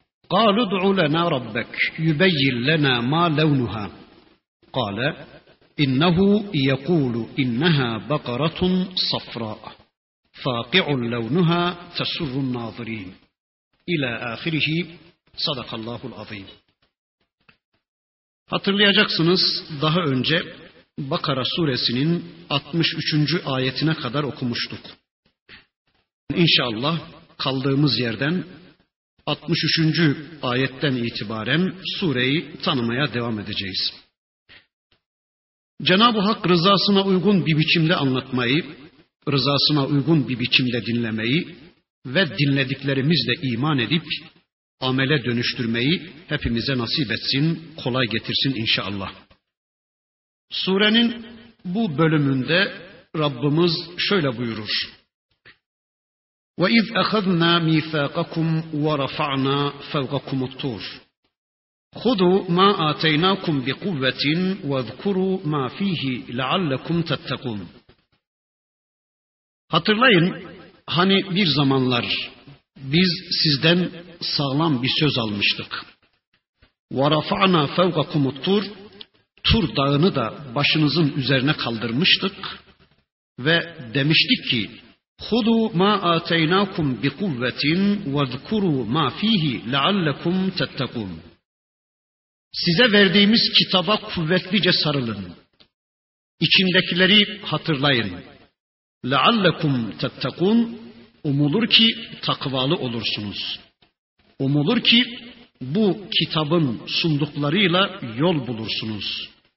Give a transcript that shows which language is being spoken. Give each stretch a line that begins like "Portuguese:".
Arabic: قالوا ادع لنا ربك يبين لنا ما لونها، قال إنه يقول إنها بقرة صفراء فاقع لونها تسر الناظرين، إلى آخره. صدق الله العظيم.
Turkish: Hatırlayacaksınız, daha önce Bakara suresinin 63. ayetine kadar okumuştuk. İnşallah kaldığımız yerden 63. ayetten itibaren sureyi tanımaya devam edeceğiz. Cenab-ı Hak rızasına uygun bir biçimde anlatmayı, rızasına uygun bir biçimde dinlemeyi ve dinlediklerimizle iman edip amele dönüştürmeyi hepimize nasip etsin, kolay getirsin inşallah. Surenin bu bölümünde Rabbimiz şöyle buyurur:
Arabic: وَاِذْ اَخَذْنَا مِيْفَاقَكُمْ وَرَفَعْنَا فَوْقَكُمُ الطُّورِ خُذُوا مَا آتَيْنَاكُمْ بِقُوَّةٍ وَذْكُرُوا مَا ف۪يهِ لَعَلَّكُمْ تَتَّقُونَ.
Turkish: Hatırlayın, hani bir zamanlar biz sizden sağlam bir söz almıştık.
Arabic: وَرَفَعْنَا فَوْقَكُمُ الطُّورِ
Turkish: Tur dağını da başınızın üzerine kaldırmıştık ve demiştik ki
Arabic: خُذُوا مَا آتَيْنَاكُمْ بِقُوَّةٍ وَذْكُرُوا مَا ف۪يهِ لَعَلَّكُمْ تَتَّقُونَ.
Turkish: Size verdiğimiz kitaba kuvvetlice sarılın. İçindekileri hatırlayın.
Arabic: لَعَلَّكُمْ تَتَّقُونَ
Turkish: Umulur ki takvalı olursunuz. Umulur ki bu kitabın sunduklarıyla yol bulursunuz.